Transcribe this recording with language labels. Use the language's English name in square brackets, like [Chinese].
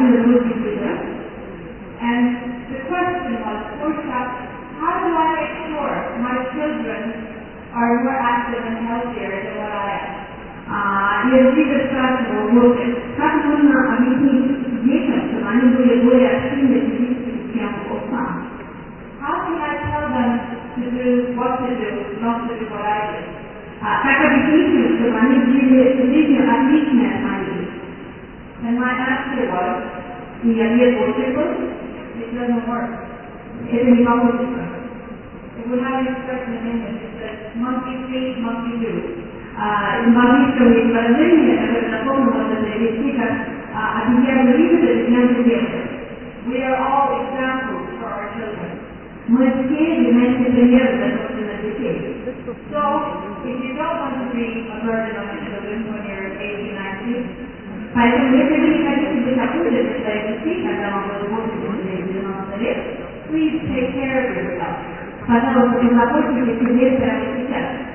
[English] And the question was, how do I make sure my children are more active and healthier than what I am? How can I tell them to do what to do, not to do what I do? [Russian] Как объяснить им, чтобы они делали жизнь отличной от моей? [English] And my answer was, [Russian] и ответ был такой, [English] it doesn't work. [Russian] Это не получится. [English] If we have an expression in English, it says, monkey see, monkey do. [Russian] В английском есть выражение, которое знакомо можно перевести как обезьяна видит, обезьяна делает. [English] We are all examples for our children. [Russian] Мы все являемся примером для собственных детей. [English] So, if you don't want to be a burden on your children when you're 80-90, [Russian] поэтому если вы не хотите быть обузой для своих детей, когда вам было 80-90 лет, [English] please take care of yourself. [Russian] Пожалуйста, позаботьтесь о себе прямо сейчас.